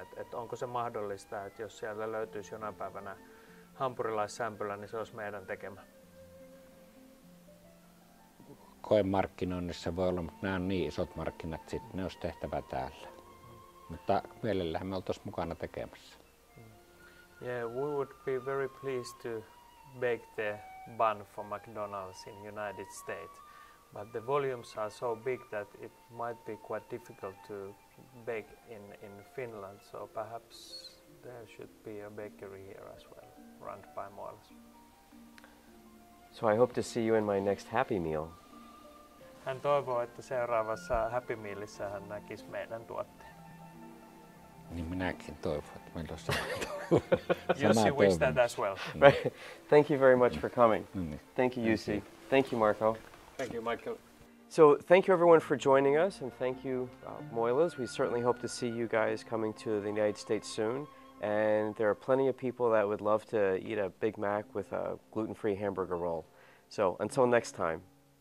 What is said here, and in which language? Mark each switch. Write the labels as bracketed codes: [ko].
[fi] Et onko se mahdollista, että jos siellä löytyisi jonain päivänä hampurilaissämpylä, niin se olisi meidän tekemä? Koemarkkinoinnissa voi olla, mutta nämä on niin isot markkinat, että ne olisi tehtävä täällä. Mutta mielellähän me oltaisiin mukana tekemässä. [en] Yeah, we would be very pleased to bake the bun for McDonald's in United States. But the volumes are so big that it might be quite difficult to bake in Finland. So perhaps there should be a bakery here as well, run by Moils. So I hope to see you in my next Happy Meal. [fi] Hän toivoo, että seuraavassa Happy Mealissa hän näkisi meidän tuotteen. Niin minäkin toivon, että meillä on sama toivon. [en] Jussi wish that as well. Thank you very much for coming. Thank you, Jussi. Thank you, Marco. Thank you, Michael. So thank you everyone for joining us, and thank you, Moilas. We certainly hope to see you guys coming to the United States soon. And there are plenty of people that would love to eat a Big Mac with a gluten-free hamburger roll. So until next time.